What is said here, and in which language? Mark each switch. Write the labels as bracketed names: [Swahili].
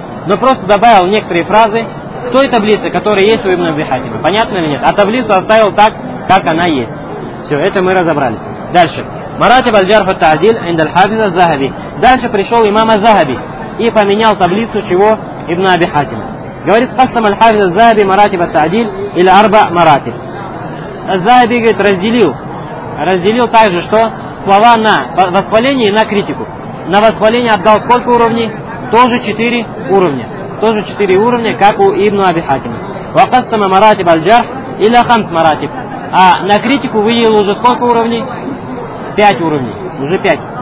[Russian] Но просто добавил некоторые фразы в той таблице, которая есть у Ибн Аби Хатима. Понятно или нет? А таблицу оставил так, как она есть. Все, это мы разобрались. Дальше. Маратиб аль-джарху та'дил инда аль-хафиза аз-захаби. Дальше пришел имам аз-захаби и поменял таблицу чего? Ибн Аби Хатима. Говорит, [Arabic] قسم الحافظ الذهبي مراتب التعديل الى اربع مراتب. [Russian] الذهبي говорит, разделил также что слова на восхваление и на критику. На восхваление отдал сколько уровней? Тоже 4 уровня. Тоже 4 уровня, как у Ибн Аби Хатима. [Arabic] وقسم مراتب الجرح الى خمس مراتب. [Russian] А на критику выделил уже сколько уровней? 5 уровней. Уже 5.